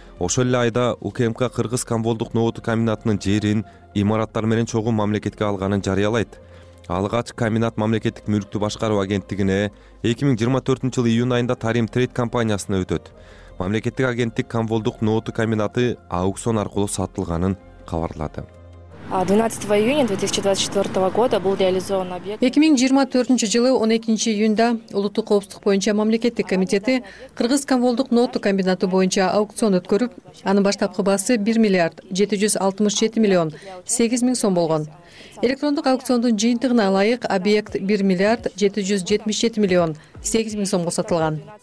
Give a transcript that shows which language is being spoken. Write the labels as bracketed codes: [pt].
[ky] Ошол эле айда УКМК кыргыз комволдук ноту комбинатынын жерин имараттар менен чогуу мамлекетке алганын жарыялайт. Алгач комбинат мамлекеттик мүлктү башкаруу агенттигине 2024 жылы июнь айында Тарим Трейд компаниясына өтөт. Мамлекеттик агенттик комволдук ноту комбинаты аукцион аркылуу сатылганын кабарлады. [ru] 12 июня 2024 года был реализован объект. [ky] 2024 жылы 12 июнда Улуттук коопсуздук боюнча мамлекеттик комитети кыргыз комволдук ноту комбинаты боюнча аукцион өткөрүп, анын баштапкы баасы 1 миллиард 767 миллион 8 миң сом болгон. Электрондук аукциондун жыйынтыгына ылайык объект 1 миллиард 777 миллион 8 миң сомго сатылган.